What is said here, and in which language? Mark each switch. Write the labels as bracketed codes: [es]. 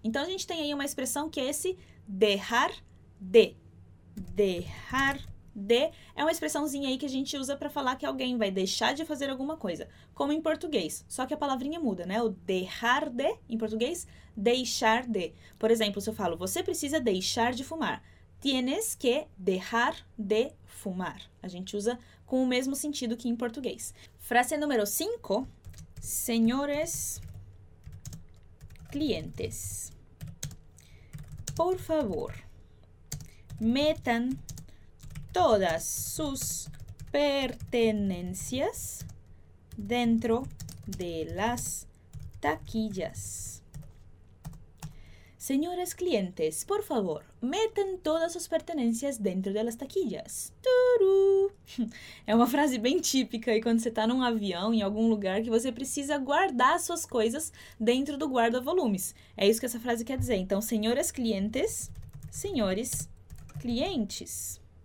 [pt] Então, a gente tem aí uma expressão que é esse dejar de. Dejar de é uma expressãozinha aí que a gente usa para falar que alguém vai deixar de fazer alguma coisa. Como em português. Só que a palavrinha muda, né? O dejar de, em português, deixar de. Por exemplo, se eu falo, você precisa deixar de fumar. [es] Tienes que dejar de fumar. [pt] A gente usa com o mesmo sentido que em português. Frase número 5. [es] Senhores clientes, por favor, metan todas sus pertenencias dentro de las taquillas. [pt] Senhores clientes, por favor, metam todas as pertenências dentro das taquillas. Turu! É uma frase bem típica aí quando você está num avião, em algum lugar, que você precisa guardar suas coisas dentro do guarda-volumes. É isso que essa frase quer dizer. Então, senhores clientes, senhores clientes.